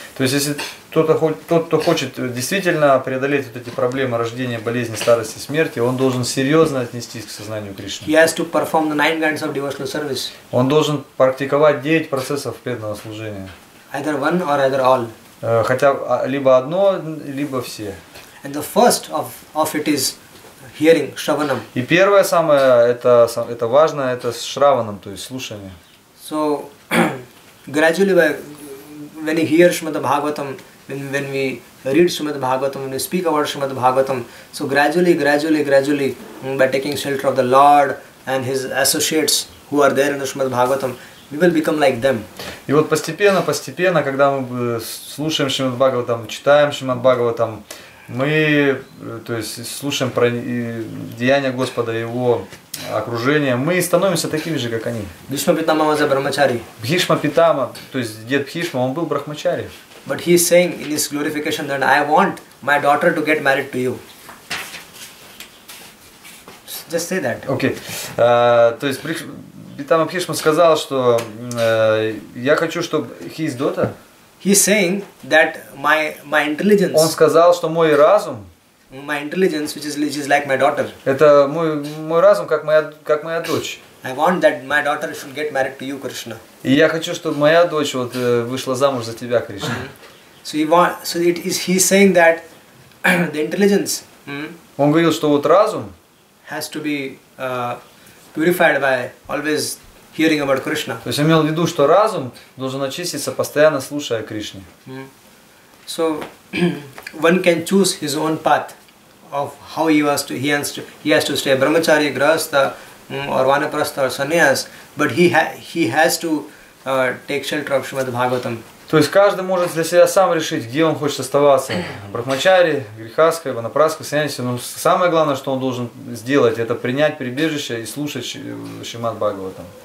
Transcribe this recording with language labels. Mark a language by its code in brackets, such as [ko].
[ru] То есть если тот, кто хочет действительно преодолеть вот эти проблемы рождения, болезни, старости, смерти, он должен серьезно отнестись к сознанию Кришны. [en] He has to perform the 9 kinds of devotional service. [ru] Он должен практиковать 9 процессов преданного служения. [en] Either one or either all. [ru] Хотя либо одно, либо все. [en] And the first of it is hearing, shravanam. [ru] И первое самое это важно, это с шраванам, то есть слушание. [en] So gradually by when we hear Srimad Bhagavatam, when we read Srimad Bhagavatam, when we speak about Srimad Bhagavatam, so gradually, by taking shelter of the Lord and His associates who are there in the Srimad Bhagavatam, we will become like them. [ru] И вот постепенно, когда мы слушаем Шримад Бхагаватам, читаем Шримад Бхагаватам, мы, то есть, слушаем про деяния Господа, Его окружение, мы становимся такими же, как они. [en] Бхишма Питама was a брахмачари. [ru] Бхишма Питама, то есть, дед Бхишма, он был брахмачари. [en] But he is saying in his glorification that I want my daughter to get married to you. Just say that. Okay. [ru] То есть, Питама Бхишма сказал, что я хочу, чтобы [en] his daughter... He is saying that my intelligence. [ru] Он сказал, что мой разум. [en] My intelligence, which is like my daughter. [ru] Это мой разум, как моя дочь. [en] I want that my daughter should get married to you, Krishna. [ru] И я хочу, чтобы моя дочь вот вышла замуж за тебя, Кришна. [en] So he want. So it is. He is saying that the intelligence. [ru] Он говорил, что вот разум. [en] Has to be purified by always. Hearing about Krishna. [ru] То есть имел в виду, что разум должен очиститься, постоянно слушая Кришну. [en] So one can choose his own path of how he has to stay brahmachari, grahastha, or vanaprastha, or sannyas, but he has to take shelter of Srimad Bhagavatam. [ru] То есть каждый может для себя сам решить, где он хочет оставаться. Брахмачари, грихаска, ванапраска, саньяси. Но самое главное, что он должен сделать, это принять прибежище и слушать Шримад Бхагаватам.